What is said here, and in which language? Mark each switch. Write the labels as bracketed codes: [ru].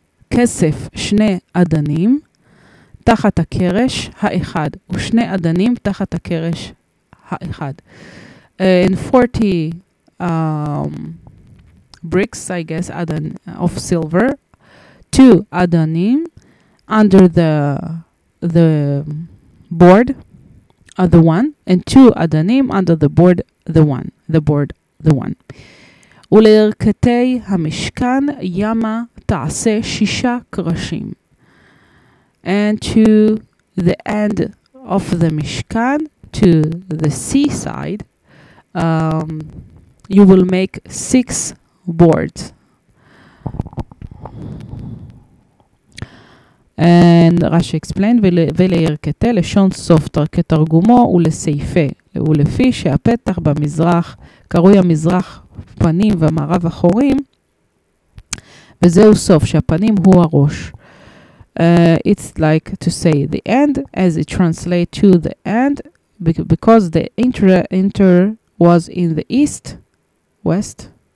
[he] כסף שני אדנים תחת הקרש האחד, ושני אדנים תחת הקרש האחד. [en] And 40 bricks, I guess, adan, of silver, two adanim under the board, the one, and two adanim under the board, the one, the board, the one. [he] ולערכתי המשכן ימה תעשה שישה קרשים. [en] And to the end of the Mishkan, to the seaside, you will make six boards. And Rashi explained, [he] ולערכתי לשון סוף כתרגומו ולסעיפי, ולפי שהפתח במזרח קרוי המזרח פנים ומערב אחורים, וזהו סוף, שהפנים הוא הראש. [en] It's like to say the end, as it translates to the end, because the enter was in the east, west.